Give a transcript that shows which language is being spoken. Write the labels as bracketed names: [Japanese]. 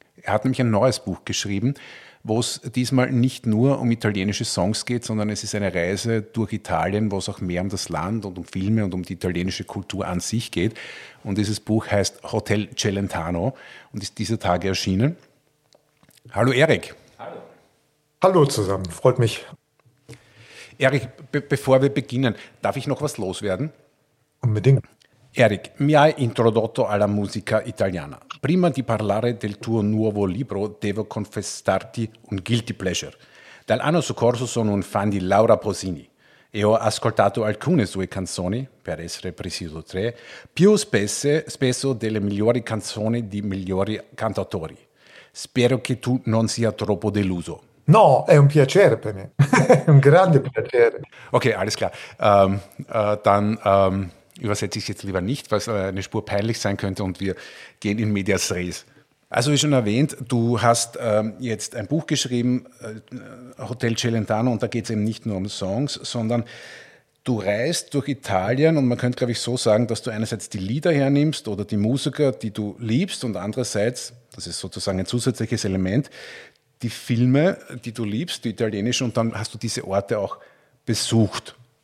[German] Er hat nämlich ein neues Buch geschrieben, wo es diesmal nicht nur um italienische Songs geht, sondern es ist eine Reise durch Italien, wo es auch mehr um das Land und um Filme und um die italienische Kultur an sich geht. Und dieses Buch heißt Hotel Celentano und ist dieser Tage erschienen. Hallo Erik. Hallo. Hallo zusammen, freut mich. Erik, bevor wir beginnen, darf ich noch was loswerden? Unbedingt. [Italian] Erik, mi hai introdotto alla musica italiana. Prima di parlare del tuo nuovo libro, devo confessarti un guilty pleasure. Dall'anno scorso sono un fan di Laura Pausini e ho ascoltato alcune sue canzoni, per essere preciso 3, più spesso delle migliori canzoni di migliori cantatori. Spero che tu non sia troppo deluso. No, è un piacere per me, un grande piacere. [German] Ok, alles klar. Übersetze ich es jetzt lieber nicht, weil es eine Spur peinlich sein könnte und wir gehen in medias res. Also wie schon erwähnt, du hast jetzt ein Buch geschrieben, Hotel Celentano, und da geht es eben nicht nur um Songs, sondern du reist durch Italien und man könnte, glaube ich, so sagen, dass du einerseits die Lieder hernimmst oder die Musiker, die du liebst, und andererseits, das ist sozusagen ein zusätzliches Element, die Filme, die du liebst, die italienischen, und dann hast du diese Orte auch besucht.